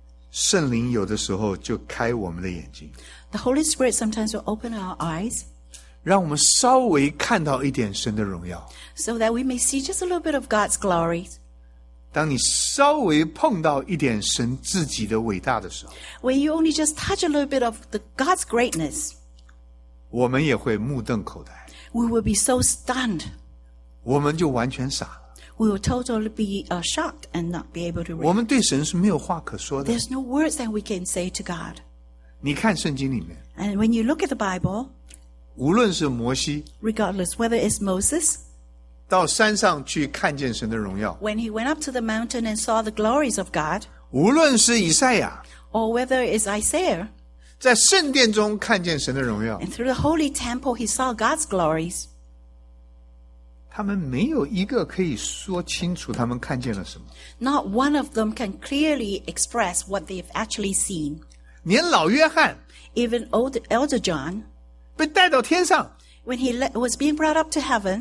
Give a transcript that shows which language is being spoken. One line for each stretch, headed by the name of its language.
Chinese: 圣灵有的时候就开我们的眼睛
English: The Holy Spirit sometimes will open our eyes.
Chinese: 让我们稍微看到一点神的荣耀。
English: So that we may see just a little bit of God's glory.
Chinese: 当你稍微碰到一点神自己的伟大的时候。
English: When you only just touch a little bit of God's greatness.
Chinese: 我们也会目瞪口呆。
English: We will be so stunned.
Chinese: 我们就完全傻了。
English: We will totally be shocked and not be able to react.
Chinese: 我们对神是没有话可说的。
English: There's no words that we can say to God.
Chinese: 你看圣经里面
English: And when you look at the Bible,
Chinese: 无论是摩西
English: Regardless whether it's Moses
Chinese: 到山上去看见神的荣耀
English: When he went up to the mountain and saw the glories of God
Chinese: 无论是以赛亚
English: Or whether it's Isaiah
Chinese: 在圣殿中看见神的荣耀
English: And through the holy temple he saw God's glories
Chinese: 他们没有一个可以说清楚他们看见了什么
English: Not one of them can clearly express what they've actually seen
Chinese: 连老约翰
English: Even old Elder John
Chinese: 被带到天上
English: When he was being brought up to heaven